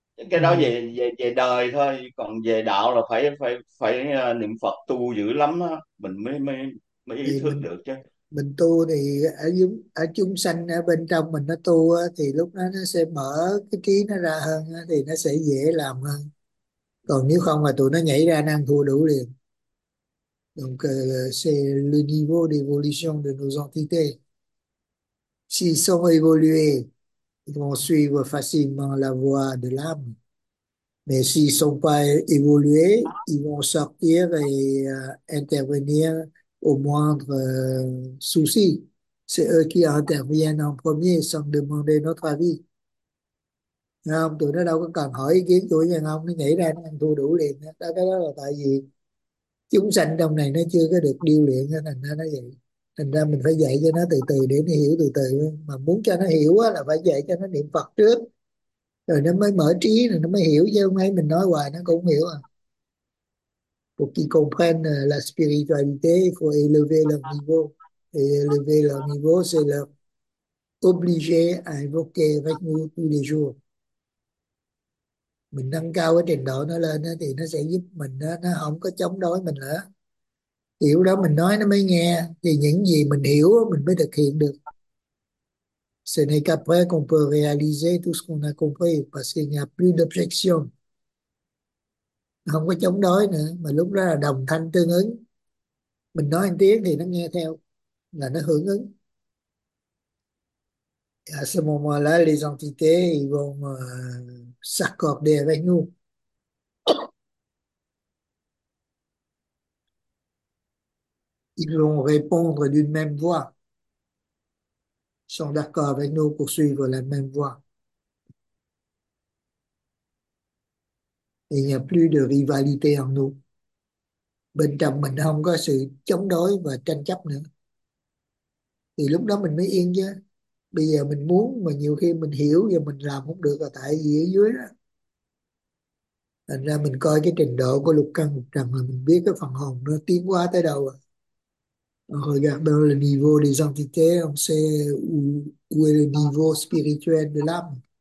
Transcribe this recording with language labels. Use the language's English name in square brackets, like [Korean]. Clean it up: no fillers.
[Vietnamese] Cái đó về về về đời thôi, còn về đạo là phải phải phải niệm Phật tu dữ lắm đó, mình mới mới mới ý thì thức được chứ. mình tu thì ở chúng sanh ở bên trong mình nó tu thì lúc đó nó sẽ mở cái trí nó ra hơn thì nó sẽ dễ làm hơn. Còn nếu không là tụi nó nhảy ra nó ăn thua đủ liền. [French] Donc c'est le niveau d'évolution de nos entités. S'ils sont évolués, ils vont suivre facilement la voie de l'âme. Mais s'ils sont pas évolués, ils vont sortir et intervenir au moindre souci. C'est eux qui interviennent en premier sans demander notre avis. [Vietnamese] Không, tụi nó đâu có cần hỏi ý kiến chủ nhân ông, nó nhảy ra nó ăn thua đủ liền. Đó, cái đó là tại vì chúng sanh trong này nó chưa có được điêu luyện nên thành ra nó vậy. Thành ra mình phải dạy cho nó từ từ để nó hiểu từ từ, mà muốn cho nó hiểu á là phải dạy cho nó niệm Phật trước rồi nó mới mở trí rồi nó mới hiểu, chứ không ấy mình nói hoài nó cũng không hiểu. [French] À, pour qu'il comprenne la spiritualité, il faut élever leur niveau. Et élever leur niveau, c'est leur obliger à évoquer avec nous tous les jours. [Vietnamese] Mình nâng cao cái trình độ nó lên đó, thì nó sẽ giúp mình đó, nó không có chống đối mình nữa. Hiểu đó mình nói nó mới nghe, thì những gì mình hiểu mình mới thực hiện được. [French] Ce n'est qu'après qu'on peut réaliser tout ce qu'on a compris, parce qu'il n'y a plus d'objection. [Vietnamese] Không có chống đối nữa, mà lúc đó là đồng thanh tương ứng. Mình nói một tiếng thì nó nghe theo, là nó hưởng ứng. [French] À ce moment-là, les entités vont s'accorder avec nous. Ils vont répondre d'une même voix. Ils sont d'accord avec nous pour suivre la même voie. Il n'y a plus de rivalité en nous. [Vietnamese] Bên trong mình không có sự chống đối và tranh chấp nữa. Thì lúc đó mình mới yên chứ. Bây giờ mình muốn mà nhiều khi mình hiểu và mình làm không được là tại vì ở dưới đó. Thành ra mình coi cái trình độ của lục căn lục trần là mình biết cái phần hồn nó tiến hóa tới đâu rồi. [French] Regardons le niveau des entités, on sait où est le niveau spirituel de l'âme.